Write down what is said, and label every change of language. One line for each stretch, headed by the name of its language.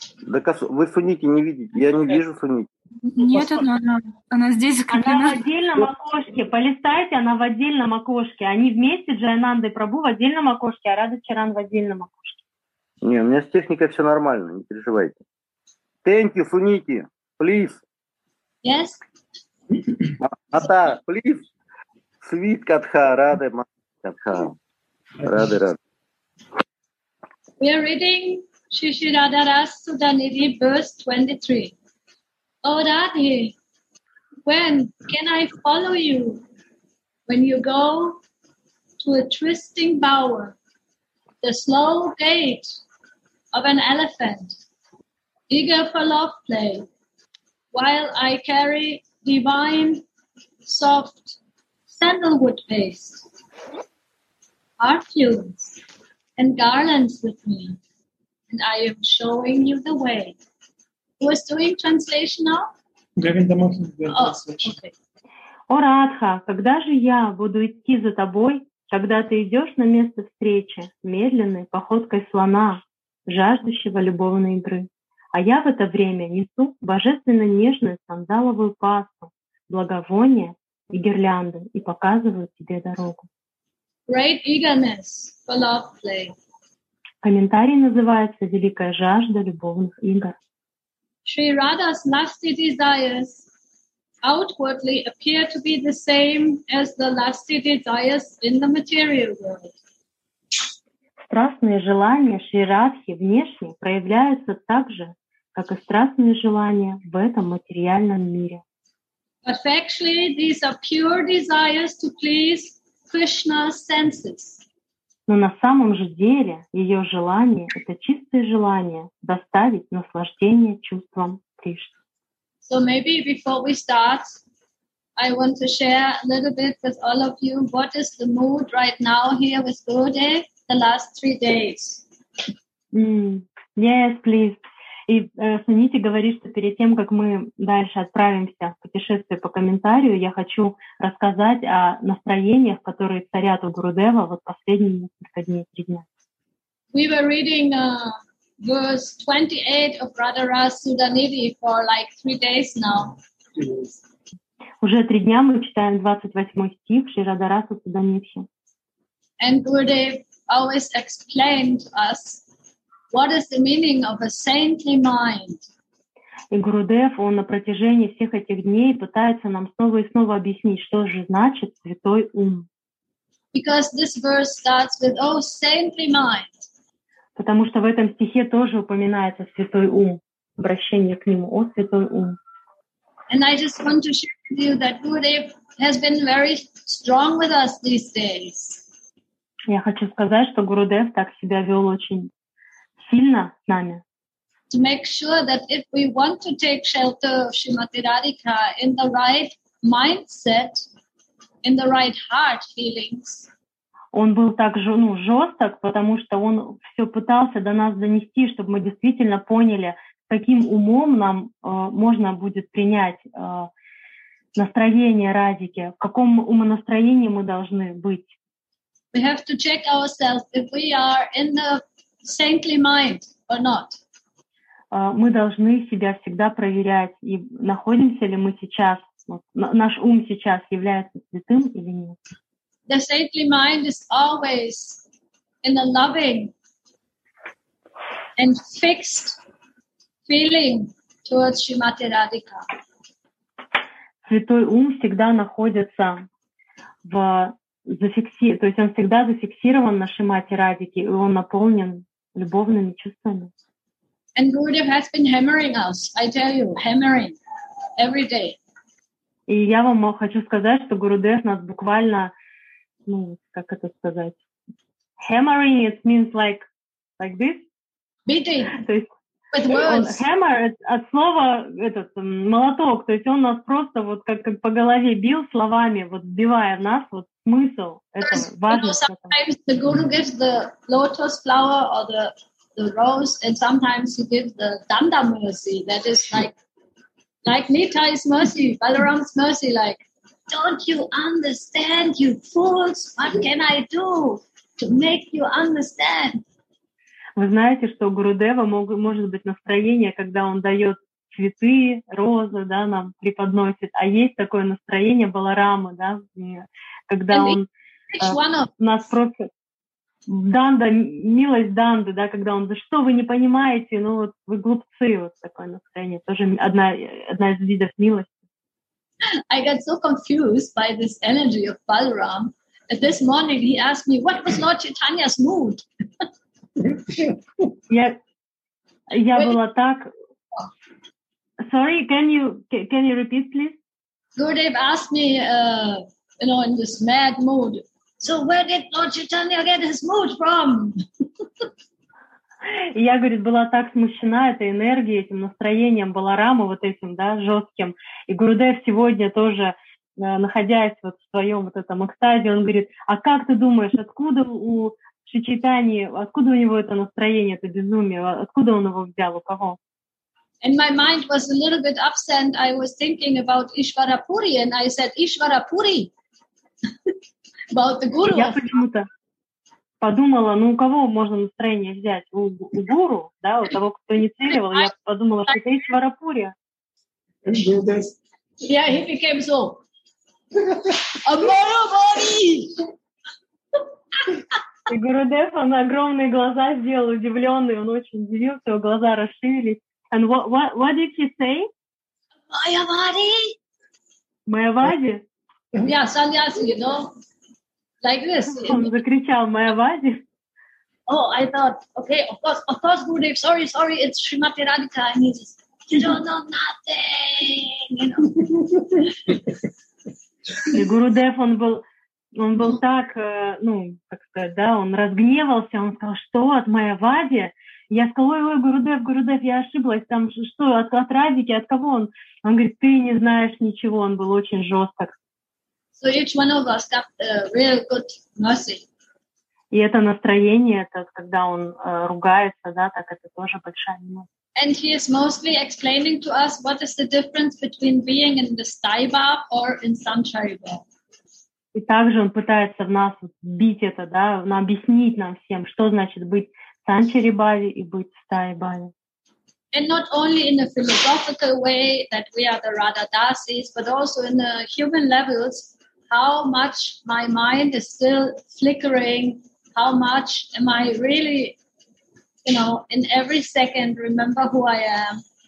Russian: Так вы Сунити не видите? Я не вижу Сунити. Нет, она здесь закреплена. Она в отдельном окошке. Полистайте, она в отдельном окошке. Они вместе, Джайнанда и Прабу, в отдельном окошке, а Рада Чаран в отдельном окошке. Не, у меня с техникой все нормально, не переживайте.
English: Thank you, Сунити, please. Yes. Ата, please. Свит Катха, Раде Катха. Раде, Раде. We are reading Шиши Радарас Суданиди, verse 23. Oh, Раде, when can I follow you? When you go to a trysting bower, the slow gait of an elephant, eager for love play, while I carry divine, soft sandalwood paste, perfumes and garlands with me, and I am showing you the way. Who is doing translation now?
Russian: Говинда Махини. О, Радха, когда же я буду идти за тобой, когда ты идешь на место встречи медленной походкой слона, жаждущего любовной игры? А я в это время несу божественно нежную сандаловую пасту, благовония и гирлянды и показываю тебе дорогу.
English: Great eagerness for love play.
Russian: Комментарий называется «Великая жажда любовных игр».
English: Shri Radha's lusty desires outwardly appear to be the same as the lusty desires in the material world.
Russian: Страстные желания Шри Радхи внешне проявляются так же, как и страстные желания в этом материальном мире.
English: But factually, these are pure desires to please Krishna's senses.
Russian: Но на самом же деле ее желание — это чистое желание доставить наслаждение чувствам Кришны.
English: So maybe before we start, I want to share a little bit with all of you. What is the mood right now here with Gurudev the last 3 days? Yes, please.
Russian: И Санити говорит, что перед тем, как мы дальше отправимся в путешествие по комментарию, я хочу рассказать о настроениях, которые царят у Гурудева вот последние несколько дней, 3 дня.
English: We were reading verse 28 of Radharas Sudhanidhi for like 3 days now.
Russian: Уже 3 дня мы читаем 28 стих Шри Радхарасу Суданидхи.
English: And Gurudev always explained to us what is the meaning of a saintly mind.
Russian: И Гурудев, он на протяжении всех этих дней пытается нам снова и снова объяснить, что же значит святой ум.
English: Because this verse starts with, oh, saintly mind.
Russian: Потому что в этом стихе тоже упоминается святой ум, обращение к нему, о, святой ум.
English: And I just want to share with you that Gurudev has been very strong with us these days.
Russian: Я хочу сказать, что Гурудев так себя вел очень сильно с нами.
English: To make sure that if we want to take shelter of Shrimati Radhika in the right mindset, in the right heart feelings.
Russian: Он был так жесток, потому что он все пытался до нас донести, чтобы мы действительно поняли, каким умом нам можно будет принять настроение Радхики, в каком умонастроении мы должны быть.
English: We have to check ourselves if we are in the saintly mind or not.
Russian: Мы должны себя всегда проверять, и находимся ли мы сейчас, вот, наш ум сейчас является святым или нет.
English: The saintly mind is always in a loving and fixed feeling towards Shrimati Radhika.
Russian: Святой ум всегда находится в то есть он всегда зафиксирован на Шримати Радхике, и он наполнен любовными чувствами.
English: And Gurudev has been hammering us, I tell you, hammering every day.
Russian: И я вам хочу сказать, что Гурудев нас буквально, ну, как это сказать,
English: hammering it means like this. Beating.
Russian: То есть
English: with words.
Russian: Hammer от слова этот молоток, то есть он нас просто вот как по голове бил словами, вот сбивая нас, вот смысл это важно.
English: Sometimes the guru gives the lotus flower or the rose, and sometimes he gives the danda mercy, that is like Nitai's mercy, Balaram's mercy, like don't you understand, you fools, what can I do to make you understand?
Russian: Вы знаете, что у Гурудева может быть настроение, когда он дает цветы, розы, да, нам преподносит. А есть такое настроение Баларамы, да, когда он нас просит. Данда, милость Данды, да, когда он, да что вы не понимаете, ну вот вы глупцы, вот такое настроение. Тоже одна из видов милости.
English: I got so confused by this energy of Balaram. This morning he asked me, what was Lord Chaitanya's mood?
Russian: Я была так.
English: Sorry, can you repeat, please? Gurudev asked me, you know, in this mad mood. So where did Lord Chaitanya get his mood from?
Russian: Я, говорит, была так смущена этой энергией, этим настроением Баларамы, вот этим, да, жестким. И Гурудев сегодня тоже, находясь вот в своем вот этом экстазе, он говорит: а как ты думаешь, откуда у Шичитани, откуда у него это настроение, это безумие, откуда он его взял, у кого?
English: And my mind was a little bit absent. I was thinking about Ishwarapuri, and I said, Ishwarapuri, about the guru.
Russian: Я почему-то подумала, ну у кого можно настроение взять? У гуру, да, у того, кто инициировал, я подумала, что это Ishwarapuri.
English: Yeah, he became so. A Marubari!
Russian: И Гурудев, он огромные глаза сделал, удивленный, он очень удивился, его глаза расширились.
English: And what did he say? Mayavadi. Mayavadi? Yeah, sannyasi, you know? Like this.
Russian: Он закричал, Mayavadi?
English: Oh, I thought, okay, of course, Gurudev, sorry, it's Shrimati Radhika. And he just, you don't know nothing, you know?
Russian: И Гурудев, он был Он был так, ну, как сказать, да, он разгневался, он сказал, что от моей Вади? Я сказала, ой, Гурудев, я ошиблась, там что, от Радики, от кого он? Он говорит, ты не знаешь ничего, он был очень жесток.
English: So each one of us got a real good mercy.
Russian: И это настроение, это когда он ругается, да, так это тоже большая милость.
English: And he is mostly explaining to us what is the difference between being in the Staiba or in Sancharibha.
Russian: И также он пытается в нас бить это, да, объяснить нам всем, что значит быть в Санчарибаве и быть в Стайбаве.
English: And not only in a philosophical way that we are the Radha Dasis, but also in the human levels, how much my mind is still flickering, how much am I really, you know, in every second remember who I am.